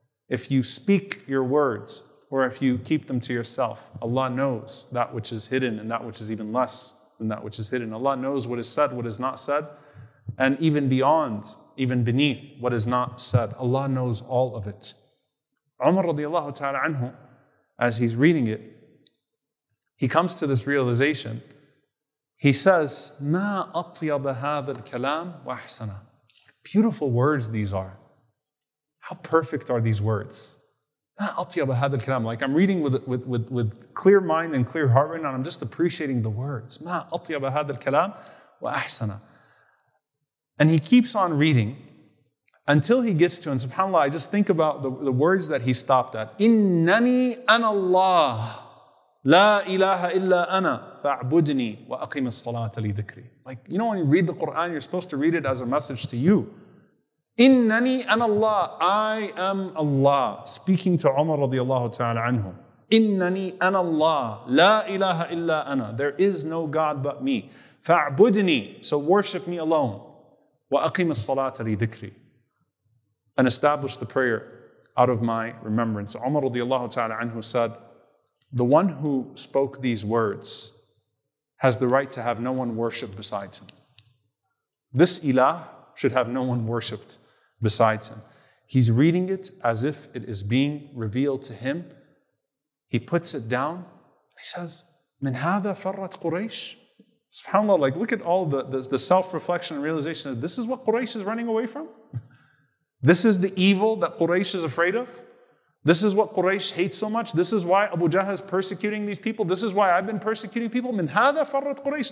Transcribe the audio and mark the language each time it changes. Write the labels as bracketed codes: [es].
[en] If you speak your words, or if you keep them to yourself, Allah knows that which is hidden and that which is even less than that which is hidden. Allah knows what is said, what is not said, and even beyond, even beneath what is not said. Allah knows all of it. Umar radiallahu ta'ala anhu, as he's reading it, he comes to this realization. He says, [ar] مَا أَطْيَبَ هَذَا الْكَلَامُ وَأَحْسَنَا. [en] Beautiful words these are. How perfect are these words? Like I'm reading with clear mind and clear heart right now, and I'm just appreciating the words. [ar] مَا أَطْيَبَ هَذَا الْكَلَامِ وَأَحْسَنَا. [en] And he keeps on reading until he gets to, and subhanAllah, I just think about the words that he stopped at. [ar] إِنَّنِي أَنَا اللَّهِ لَا إِلَهَ إِلَّا أَنَا فَاعْبُدْنِي وَأَقِمِ الصَّلَاةَ لِذِكْرِي. [en] Like, you know when you read the Qur'an, you're supposed to read it as a message to you. [ar] إِنَّنِي أَنَ اللَّهِ, [en] I am Allah, speaking to Umar radiallahu ta'ala anhu. [ar] إِنَّنِي أَنَ اللَّهِ لَا إِلَهَ إِلَّا أَنَا, [en] there is no God but me. [ar] فَاعْبُدْنِي, [en] so worship me alone. [ar] وَأَقِمَ الصَّلَاةَ لِذِكْرِي, [en] and establish the prayer out of my remembrance. Umar radiallahu ta'ala anhu said, the one who spoke these words has the right to have no one worship besides him. This ilah should have no one worshipped besides him. He's reading it as if it is being revealed to him. He puts it down. He says, [ar] من هذا فرت قريش. [en] SubhanAllah, like look at all the self-reflection and realization that this is what Quraysh is running away from. This is the evil that Quraysh is afraid of. This is what Quraysh hates so much. This is why Abu Jahl is persecuting these people. This is why I've been persecuting people. [ar] من هذا فرت قريش.